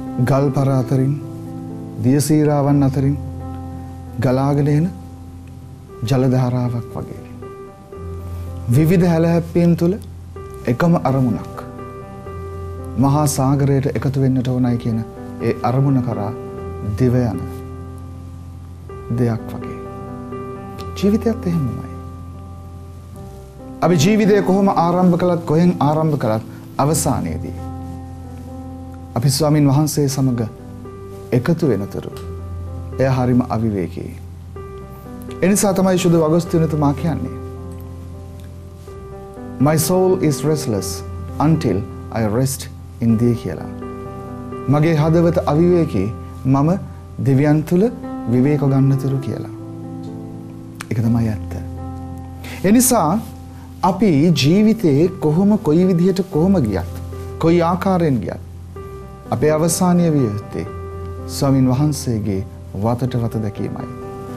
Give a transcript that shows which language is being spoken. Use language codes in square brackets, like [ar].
[si] ගල් පර අතරින් දිය සීරාවන් අතරින් ගලාගෙන එන ජල ධාරාවක් වගේ විවිධ හැලහැප්පීම් තුළ එකම අරමුණක් මහා සාගරයට එකතු වෙන්නට ඕනයි කියන ඒ අරමුණ කරා දිව යන දෙයක් වගේ ජීවිතයත් එහෙමමයි. අපි ජීවිතය කොහොම ආරම්භ කළත් කොහෙන් ආරම්භ කළත් අවසානයේදී අපි ස්වාමින් වහන්සේ සමඟ එකතු වෙනතුරු එය හරිම අවිවේකී. එනිසා තමයි සුදු අගස්තුනතුමා කියන්නේ [en] My soul is restless until I rest in thee [si] කියලා. මගේ හදවත අවිවේකී මම දෙවියන් තුල විවේක ගන්නතුරු කියලා. ඒක තමයි ඇත්ත. එනිසා අපි ජීවිතේ කොහොම කොයි විදිහට කොහොම ගියත් කොයි ආකාරයෙන් ගියත් අපේ අවසානීය විය යුත්තේ ස්වාමින් වහන්සේගේ වතට රත දැකීමයි.